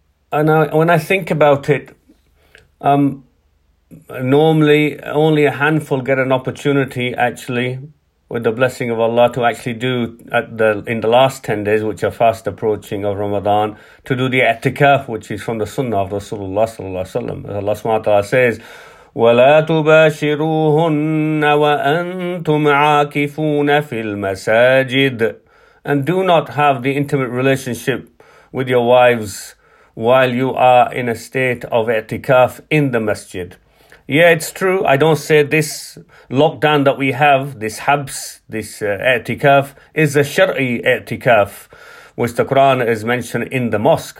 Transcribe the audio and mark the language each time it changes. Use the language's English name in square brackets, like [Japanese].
[English] When I think about it, normally only a handful get an opportunity actually, with the blessing of Allah, to actually do in the last 10 days, which are fast approaching of Ramadan, to do the i'tikaf, which is from the sunnah of Rasulullah sallallahu alaihi wasallam. Allah subhanahu wa ta'ala says, [Arabic] وَلَا تُبَاشِرُوهُنَّ وَأَنْتُمْ عَاكِفُونَ فِي الْمَسَاجِدِ. [English] And do not have the intimate relationship with your wives while you are in a state of i'tikaf in the masjid. Yeah, it's true. I don't say this lockdown that we have, this habs, this i'tikaf, is a shari'i i'tikaf, which the Quran is mentioned in the mosque.